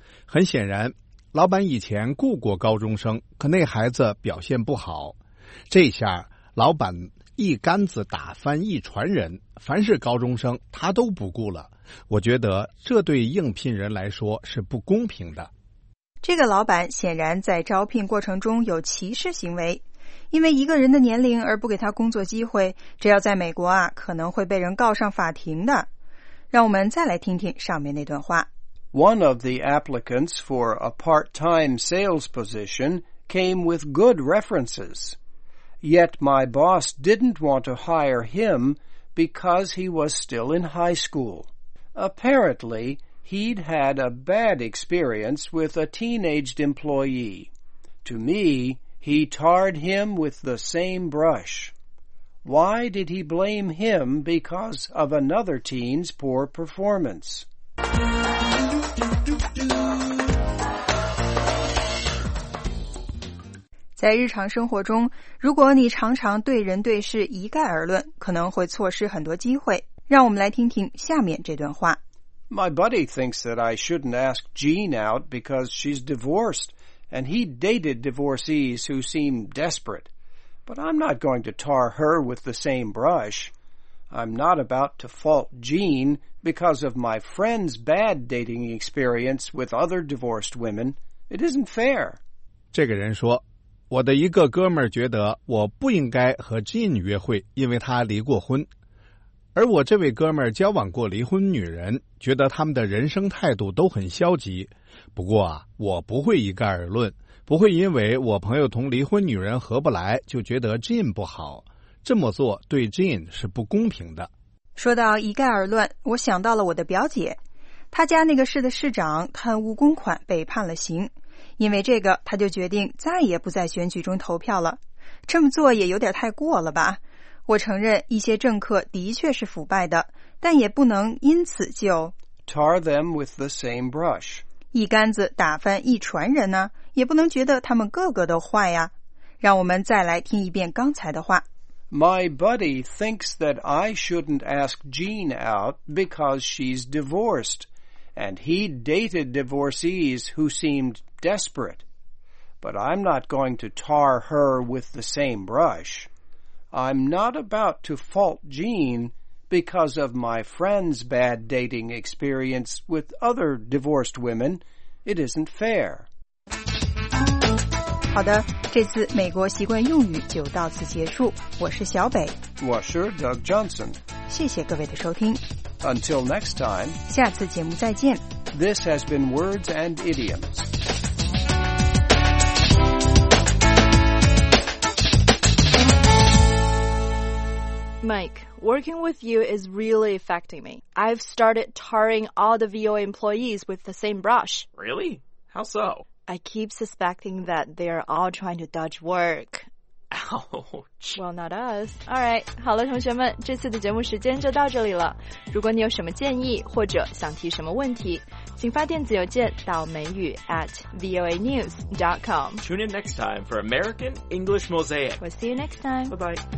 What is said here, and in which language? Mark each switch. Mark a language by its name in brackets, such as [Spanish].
[Chinese] 很显然，老板以前雇过高中生，可那孩子表现不好，这下老板一竿子打翻一船人，凡是高中生他都不雇了。我觉得这对应聘人来说是不公平的。这个老板显然在招聘过程中有歧视行为，因为一个人的年龄而不给他工作机会，这要在美国啊，可能会被人告上法庭的。让我们再来听听上面那段话。 [English] One of the applicants for a part-time sales position came with good references. Yet my boss didn't want to hire him because he was still in high school. Apparently, he'd had a bad experience with a teenaged employee. To me, he tarred him with the same brush. Why did he blame him because of another teen's poor performance? [Chinese] 在日常生活中，如果你常常对人对事一概而论，可能会错失很多机会。让我们来听听下面这段话。 [English] My buddy thinks that I shouldn't ask Jean out because she's divorced, and he dated divorcees who seem desperate. But I'm not going to tar her with the same brush. I'm not about to fault Jean because of my friend's bad dating experience with other divorced women. It isn't fair. [Chinese] 这个人说，我的一个哥们儿觉得我不应该和 Jean 约会，因为她离过婚。而我这位哥们儿交往过离婚女人，觉得他们的人生态度都很消极。不过啊，我不会一概而论，不会因为我朋友同离婚女人合不来就觉得 Jean 不好，这么做对 Jean 是不公平的。说到一概而论，我想到了我的表姐，她家那个市的市长贪污公款被判了刑，因为这个她就决定再也不在选举中投票了。这么做也有点太过了吧。我承认一些政客的确是腐败的，但也不能因此就 [English] tar them with the same brush， [Chinese] 一竿子打翻一船人呢、啊、也不能觉得他们个个都坏呀、啊。让我们再来听一遍刚才的话。 [English] My buddy thinks that I shouldn't ask Jean out because she's divorced, and he dated divorcees who seemed desperate. But I'm not going to tar her with the same brush. I'm not about to fault Jean because of my friend's bad dating experience with other divorced women. It isn't fair. [Chinese] 好的，这次美国习惯用语就到此结束。我是小北，我是 Doug Johnson。谢谢各位的收听。 [English] Until next time， [Chinese] 下次节目再见。 [English] This has been Words and Idioms. Mike, working with you is really affecting me. I've started tarring all the VO employees with the same brush. Really? How so? I keep suspecting that they're all trying to dodge work. Ouch. Well, not us. All right. [Chinese] 好了，同学们，这次的节目时间就到这里了。如果你有什么建议或者想提什么问题，请发电子邮件到美语@voanews.com. [English] Tune in next time for American English Mosaic. We'll see you next time. Bye-bye.